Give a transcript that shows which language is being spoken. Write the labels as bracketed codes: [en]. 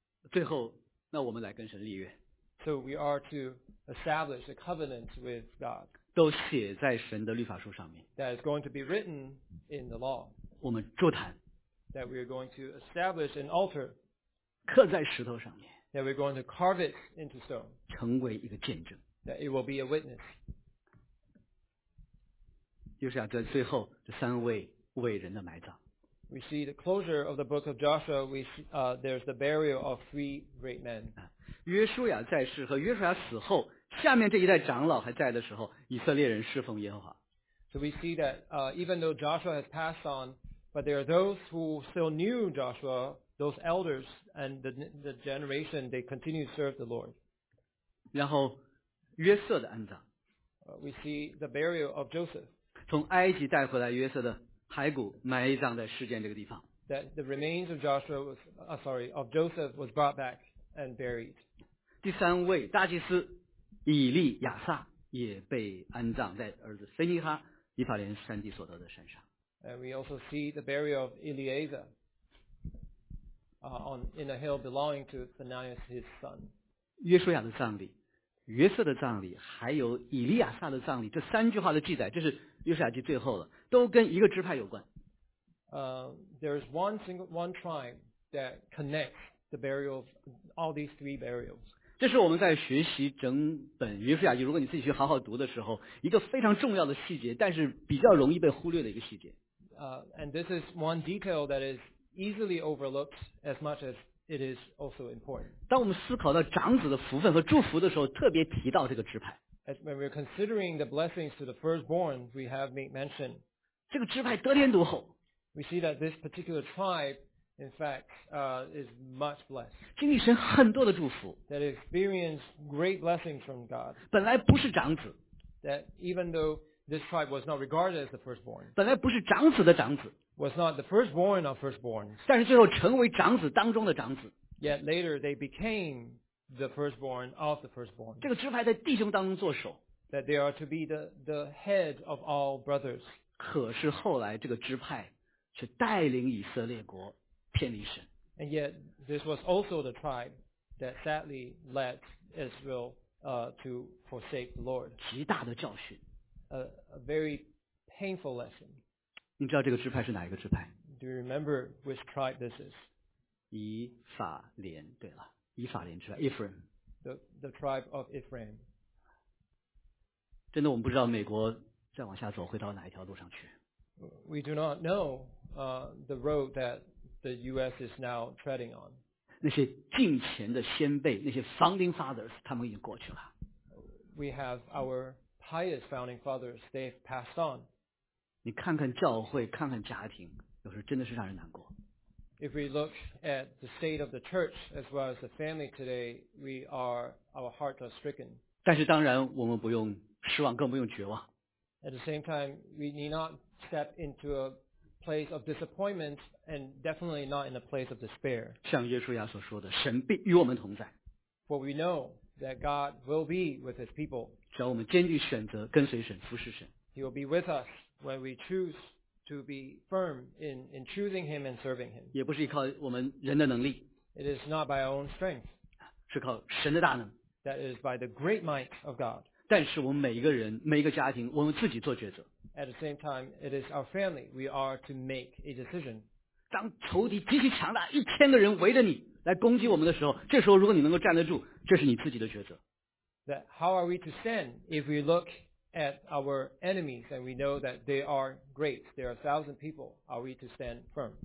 [zh] 最后，那我们来跟神立约。 [en] So we are to establish a covenant with God. [zh] 都写在神的律法书上面。 [en] That is going to be written in the law. [zh] 我们筑坛。 [en] That we are going to establish an altar. [zh] 刻在石头上面。 [en] That we are going to carve it into stone. [zh] 成为一个见证。 [en] That it will be a witness. [zh] 就是要在最后这三位伟人的埋葬。 [en] We see the closure of the book of Joshua. We see, there's the burial of three great men. [zh] 约书亚在世和约书亚死后，下面这一代长老还在的时候，以色列人侍奉耶和华。 [en] So we see that, even though Joshua has passed on, But there are those who still knew Joshua, those elders and the generation, they continue to serve the Lord. [zh] 然后约瑟的安葬。 [en] We see the burial of Joseph. [zh] 从埃及带回来约瑟的骸骨埋葬在示剑这个地方。 [en] That the remains of Joshua was, sorry, of Joseph was brought back and buried. [zh] 第三位大祭司以利亚撒也被安葬在儿子菲尼哈以法莲山地所得的山上。 [en] And we also see the burial of Eleazar in a hill belonging to Phinehas, his son. [zh] 约书亚的葬礼、约瑟的葬礼，还有以利亚撒的葬礼，这三句话的记载，这是约书亚记最后了，都跟一个支派有关。 [en] There is one tribe that connects the burial of all these three burials. [zh] 这是我们在学习整本约书亚记，如果你自己去好好读的时候，一个非常重要的细节，但是比较容易被忽略的一个细节。 [en] And this is one detail that is easily overlooked as much as it is also important. [zh] 当我们思考到长子的福分和祝福的时候，特别提到这个支派。 [en] As when we're considering the blessings to the firstborn, we have made mention. [zh] 这个支派得天独厚。 [en] We see that this particular tribe, in fact, is much blessed. [zh] 经历神很多的祝福。 [en] That experienced great blessings from God. [zh] 本来不是长子。 [en] That even though this tribe was not regarded as the firstborn. [zh] 本来不是长子的长子。 [en] Was not the firstborn or firstborn. [zh] 但是最后成为长子当中的长子。 [en] Yet later they became the firstborn of the firstborn. [zh] 这个支派在弟兄当中作首。 [en] That they are to be the head of all brothers. [zh] 可是后来这个支派却带领以色列国偏离神。 [en] And yet this was also the tribe that sadly led Israel to forsake the Lord. [zh] 极大的教训。 [en] A very painful lesson. [zh] 你知道这个支派是哪一个支派？ [en] Do you remember which tribe this is? [zh] 以法莲，对了，以法莲支派 ，Ephraim. [en] The tribe of Ephraim. [zh] 真的，我们不知道美国再往下走会到哪一条路上去。 [en] We do not know the road that the U.S. is now treading on. [zh] 那些敬虔的先辈，那些 founding fathers， 他们已经过去了。 [en] We have our highest founding fathers, they've passed on. [zh] 你看看教会，看看家庭，有时候真的是让人难过。 [en] If we look at the state of the church as well as the family today, our hearts are stricken. [zh] 但是当然，我们不用失望，更不用绝望。 [en] At the same time, we need not step into a place of disappointment and definitely not in a place of despair. [zh] 像约书亚所说的，神必与我们同在。 [en] For we know that God will be with His people. [zh] 只要我们坚决选择跟随神、服侍神 [en] ，He will be with us when we choose to be firm in choosing Him and serving Him. [zh] 也不是依靠我们人的能力 [en] ，It is not by our own strength. [zh] 是靠神的大能 [en] ，That is by the great might of God. [zh] 但是我们每一个人、每一个家庭，我们自己做抉择。 [en] At the same time, it is our family. We are to make a decision. [zh] 当仇敌极其强大，一千个人围着你来攻击我们的时候，这时候如果你能够站得住，这是你自己的抉择。 [en] That how are we to stand if we look at our enemies and we know that they are great, there are 1,000 people, are we to stand firm?